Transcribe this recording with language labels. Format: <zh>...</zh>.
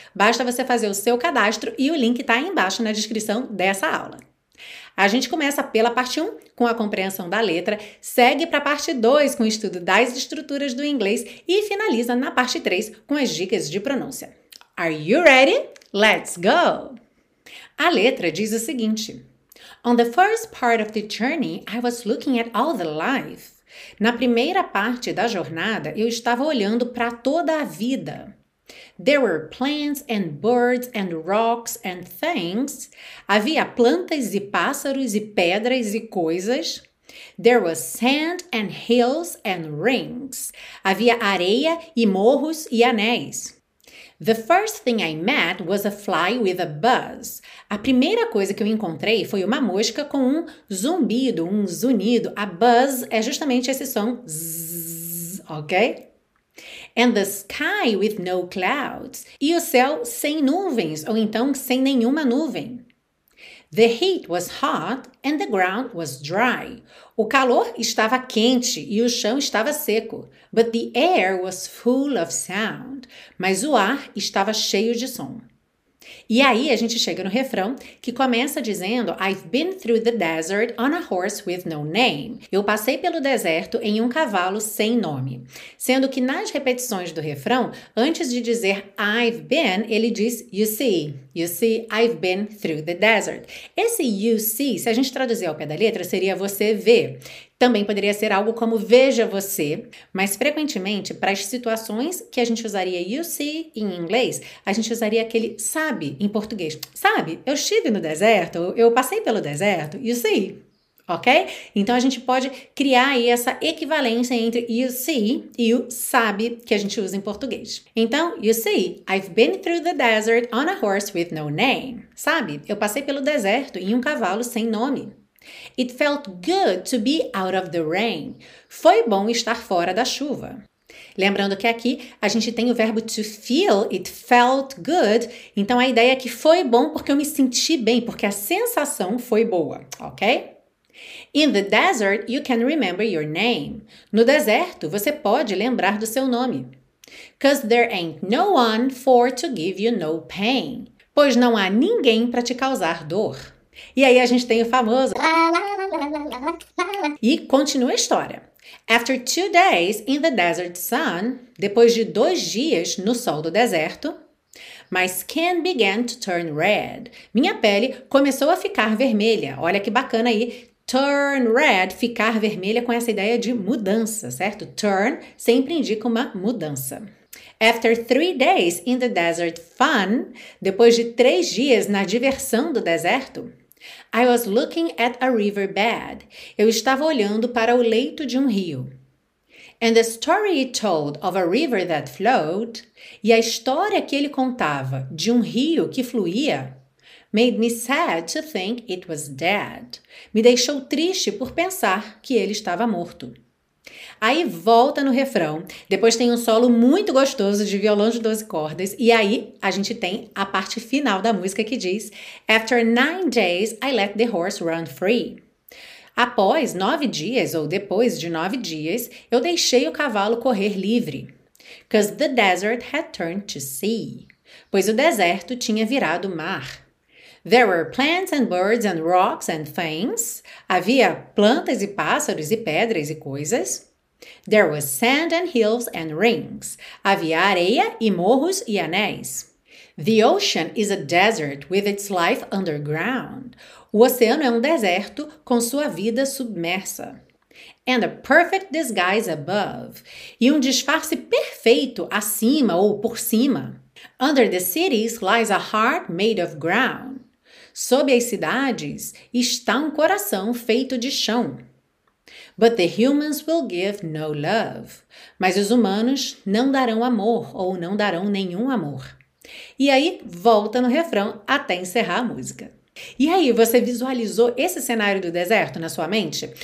<pt>Basta você fazer o seu cadastro e o link tá aí embaixo na descrição dessa aula. A gente começa pela parte 1, com a compreensão da letra, segue para a parte 2, com o estudo das estruturas do inglês e finaliza na parte 3, com as dicas de pronúncia.</pt> <en>Are you ready? Let's go!</en> <pt>A letra diz o seguinte.</pt> <en>On the first part of the journey, I was looking at all the life.</en> <pt>Na primeira parte da jornada, eu estava olhando para toda a vida.</pt> <en>There were plants and birds and rocks and things.</en> <pt>Havia plantas e pássaros e pedras e coisas.</pt> <en>There was sand and hills and rings.</en> <pt>Havia areia e morros e anéis.</pt> <en>The first thing I met was a fly with a buzz.</en> <pt>A primeira coisa que eu encontrei foi uma mosca com um zumbido, um zunido. A buzz é justamente esse som, zzz, ok?</pt> <en>And the sky with no clouds.</en> <pt>E o céu sem nuvens, ou então sem nenhuma nuvem.</pt> <en>The heat was hot and the ground was dry.</en> <pt>O calor estava quente e o chão estava seco.</pt> <en>But the air was full of sound.</en> <pt>Mas o ar estava cheio de som. E aí a gente chega no refrão que começa dizendo</pt> <en>I've been through the desert on a horse with no name.</en> <pt>Eu passei pelo deserto em um cavalo sem nome. Sendo que nas repetições do refrão, antes de dizer I've been, ele diz</pt> <en>you see, I've been through the desert.</en> <pt>Esse you see, se a gente traduzir ao pé da letra, seria você vê. Também poderia ser algo como veja você, mas frequentemente para as situações que a gente usaria you see em inglês, a gente usaria aquele sabe em português. Sabe, eu estive no deserto, eu passei pelo deserto,</pt> <en>you see,</en> <pt>ok? Então a gente pode criar aí essa equivalência entre</pt> <en>you see</en> <pt>e o sabe que a gente usa em português.</pt> <en>Então, you see, I've been through the desert on a horse with no name.</en> <pt>Sabe, eu passei pelo deserto em um cavalo sem nome.</pt> <en>It felt good to be out of the rain.</en> <pt>Foi bom estar fora da chuva. Lembrando que aqui a gente tem o verbo</pt> <en>to feel, it felt good.</en> <pt>Então a ideia é que foi bom porque eu me senti bem, porque a sensação foi boa, ok?</pt> <en>In the desert, you can remember your name.</en> <pt>No deserto, você pode lembrar do seu nome.</pt> <en>'Cause there ain't no one for to give you no pain.</en> <pt>Pois não há ninguém para te causar dor. E aí a gente tem o famoso e continua a história.</pt> <en>After 2 days in the desert sun,</en> <pt>depois de 2 dias no sol do deserto,</pt> <en>my skin began to turn red.</en> <pt>Minha pele começou a ficar vermelha. Olha que bacana aí,</pt> <en>Turn red,</en> <pt>ficar vermelha, com essa ideia de mudança, certo? Turn sempre indica uma mudança.</pt> <en>After 3 days in the desert fun,</en> <pt>depois de 3 dias na diversão do deserto,</pt> <en>I was looking at a riverbed.</en> <pt>Eu estava olhando para o leito de um rio.</pt> <en>And the story he told of a river that flowed,</en> <pt>e a história que ele contava de um rio que fluía,</pt> <en>made me sad to think it was dead.</en> <pt>Me deixou triste por pensar que ele estava morto. Aí volta no refrão, depois tem um solo muito gostoso de violão de 12 cordas, e aí a gente tem a parte final da música que diz:</pt> <en>After 9 days, I let the horse run free.</en> <pt>Após 9 dias, ou depois de 9 dias, eu deixei o cavalo correr livre.</pt> <en>'Cause the desert had turned to sea.</en> <pt>Pois o deserto tinha virado mar.</pt> <en>There were plants and birds and rocks and things.</en> <pt>Havia plantas e pássaros e pedras e coisas.</pt> <en>There was sand and hills and rings.</en> <pt>Havia areia e morros e anéis.</pt> <en>The ocean is a desert with its life underground.</en> <pt>O oceano é um deserto com sua vida submersa.</pt> <en>And a perfect disguise above.</en> <pt>E um disfarce perfeito acima ou por cima.</pt> <en>Under the cities lies a heart made of ground.</en> <pt>Sob as cidades está um coração feito de chão.</pt> <en>But the humans will give no love.</en> <pt>Mas os humanos não darão amor ou não darão nenhum amor. E aí volta no refrão até encerrar a música. E aí, você visualizou esse cenário do deserto na sua mente?</pt>